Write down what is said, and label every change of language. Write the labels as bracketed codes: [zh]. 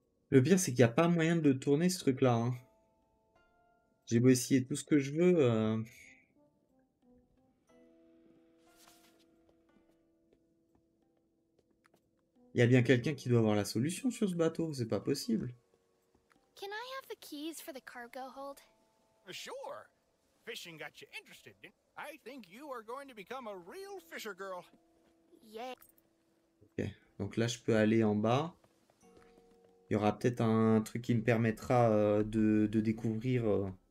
[fr] Le pire, c'est qu'il n'y a pas moyen de tourner ce truc-là. Hein. J'ai beau essayer tout ce que je veux. Il y a bien quelqu'un qui doit avoir la solution sur ce bateau, c'est pas possible. [en] Can I have the keys for the cargo hold? Sure. Fishing got you interested. I think you are going to become a real fisher girl. Yeah. [fr] Ok, donc là, je peux aller en bas. Il y aura peut-être un truc qui me permettra de découvrir.